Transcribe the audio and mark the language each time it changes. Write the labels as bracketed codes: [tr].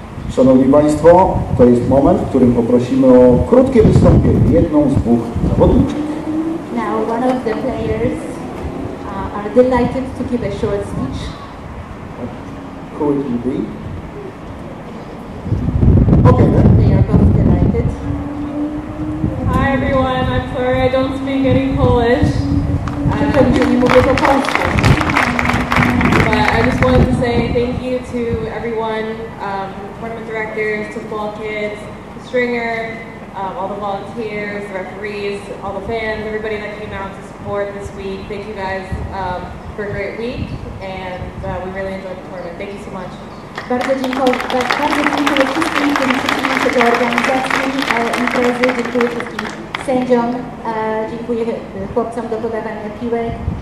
[pl] Szanowni Państwo, to jest moment, w którym poprosimy o krótkie wystąpienie jedną z dwóch zawodniczek. [en] Now one of the players are delighted to give a short speech. Who would you be? Okay, then. They are both delighted. Hi everyone, I'm sorry I don't speak any Polish. [pl] Nie mówię po polsku. [en] I just wanted to say thank you to everyone, tournament directors, to Ball Kids, the Stringer, all the volunteers, the referees, all the fans, everybody that came out to support this week. Thank you guys for a great week, and we really enjoyed the tournament. Thank you so much. [pl] Bardzo dziękuję. Bardzo dziękuję wszystkim, którzy przyjęli się do organizacji imprezy. Dziękuję wszystkim sędziom. Dziękuję chłopcom do podawania piłek.